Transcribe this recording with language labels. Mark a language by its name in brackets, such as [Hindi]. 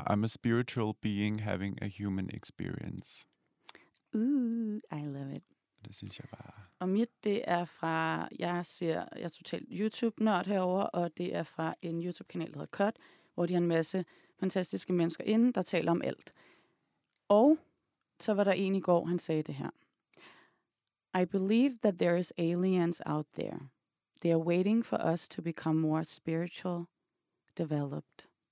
[English] I'm a spiritual being having a human experience. I love it. [Danish] Det synes jeg bare. Og mit, det er fra, jeg er totalt YouTube-nørd herovre, og det er fra en YouTube-kanal, der hedder Cut, hvor de har en masse fantastiske mennesker inde, der taler om alt. Og så var der en i går, han sagde det her. [English] I believe that there is aliens out there. They are waiting for us to become more spiritual, developed.